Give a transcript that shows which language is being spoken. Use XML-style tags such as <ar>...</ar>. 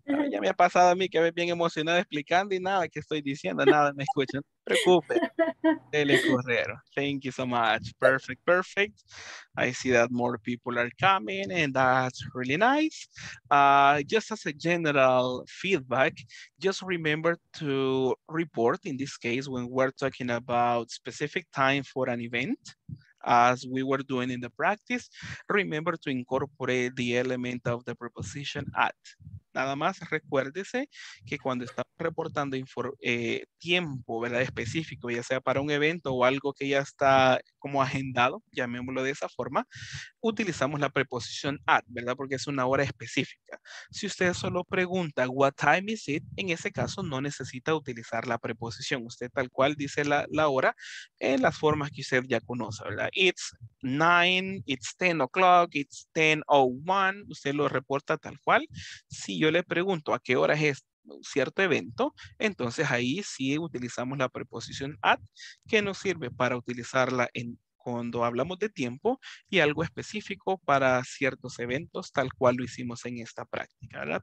<es>Ya me ha pasado a mí que me bien emocionado explicando y nada que estoy diciendo, nada me escuchan. No te preocupes. Telecorrero.</es> <en>Thank you so much. Perfect. I see that more people are coming and that's really nice. Just as a general feedback, just remember to report in this case when we're talking about specific time for an event. As we were doing in the practice, remember to incorporate the element of the preposition at.</en> <es>Nada más recuérdese que cuando estamos reportando tiempo, ¿verdad? Específico, ya sea para un evento o algo que ya está como agendado, llamémoslo de esa forma, utilizamos la preposición at, ¿verdad? Porque es una hora específica. Si usted solo pregunta,</es> <en>what time is it?</en> <es>En ese caso no necesita utilizar la preposición. Usted tal cual dice la hora en las formas que usted ya conoce, ¿verdad?</es> <en>It's 9, it's 10 o'clock, it's 10:01.</en> <es>Usted lo reporta tal cual. Si yo le pregunto a qué hora es un cierto evento, entonces ahí sí utilizamos la preposición at, que nos sirve para utilizarla en cuando hablamos de tiempo y algo específico para ciertos eventos, tal cual lo hicimos en esta práctica, ¿verdad?</es>